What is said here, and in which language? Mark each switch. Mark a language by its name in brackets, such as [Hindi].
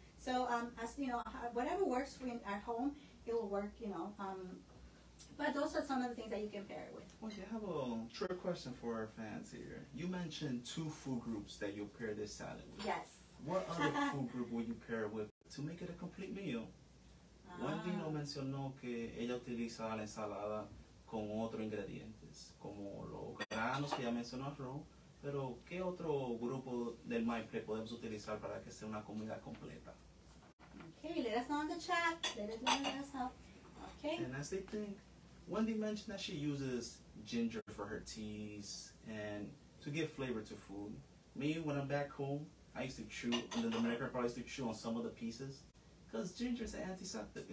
[English] So as you know, whatever works when at home. It will work, you know. But those are some of the things that you can pair it with. Well, you have a trick question for our fans here. You mentioned two food groups that you pair this salad with. Yes. What other food group will you pair it with to make it a complete meal? [Spanish] Wendy no mencionó que ella utiliza la ensalada con otros ingredientes, como los granos que ya mencionó arroz. Pero ¿qué otro grupo del maple podemos utilizar para que sea una comida completa? [English] Okay, let us know in the chat. Okay. And as they think, Wendy mentioned that she uses ginger for her teas and to give flavor to food. Me, when I'm back home, I used to chew, and the Dominican probably used to chew on some of the pieces because ginger is an antiseptic.